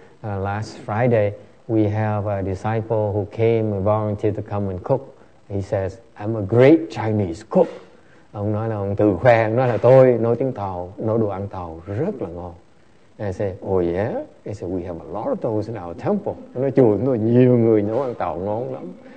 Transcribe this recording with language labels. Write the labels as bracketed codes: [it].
[en] Last Friday we have a disciple who came and volunteered to come and cook. He says, "I'm a great Chinese cook." [vi] Ông nói là ông tự khoe, ông nói là tôi nấu tiếng Tàu, nấu đồ ăn Tàu rất là ngon. [en] And I said, "Oh yeah." He said, "We have a lot of those in our temple." [vi] Nói chùa chúng tôi nhiều người nấu ăn Tàu ngon lắm.